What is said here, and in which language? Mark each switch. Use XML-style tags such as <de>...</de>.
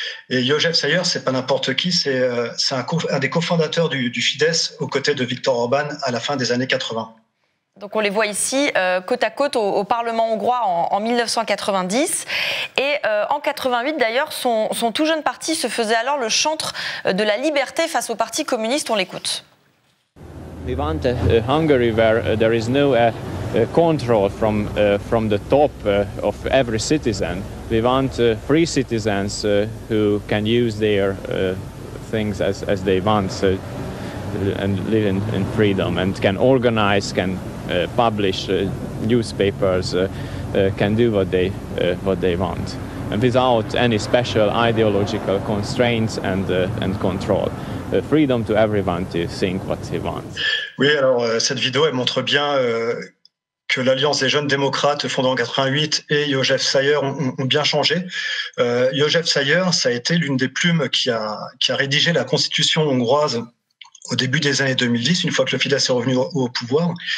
<fr>Et Jozef Sayer, c'est pas n'importe qui, c'est un des cofondateurs du Fidesz aux côtés de Viktor Orban à la fin des années 80. Donc on les voit ici côte à côte au Parlement hongrois en 1990. Et en 88 d'ailleurs, son tout jeune parti se faisait alors le chantre de la liberté face au parti communiste. On l'écoute.</fr> <en>We want a Hungary where there is no control from the top of every citizen. We want free citizens who can use their things as they want so, and live in freedom and can organize, can publish newspapers, can do what they want and without any special ideological constraints and control. Freedom to everyone to think what he wants.</en> <fr>Oui, alors cette vidéo elle montre bien que l'Alliance des jeunes démocrates fondée en 88 et Jozef Sayer ont bien changé. Jozef Sayer, ça a été l'une des plumes qui a rédigé la constitution hongroise au début des années 2010, une fois que le Fidesz est revenu au pouvoir.</fr>